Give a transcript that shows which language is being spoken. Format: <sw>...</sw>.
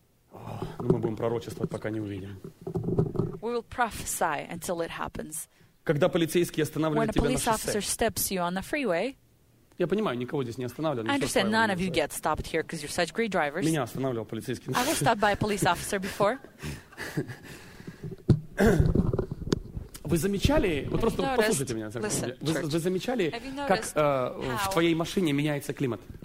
<ru>Ну, мы будем пророчествовать, пока не увидим.</ru> <en>We will prophesy until it happens.</en> <ru>Когда полицейский останавливает тебя на шоссе.</ru> <en>When a police officer steps you on the freeway.</en> <ru>Я понимаю, никого здесь не останавливали.</ru> <en>I understand none of you get stopped here because you're such great drivers.</en> <ru>Меня останавливал полицейский.</ru> <en>I was stopped by a police officer before.</en> <ru>Вы замечали, вы просто послушайте меня, вы замечали, как в твоей машине меняется климат?</ru>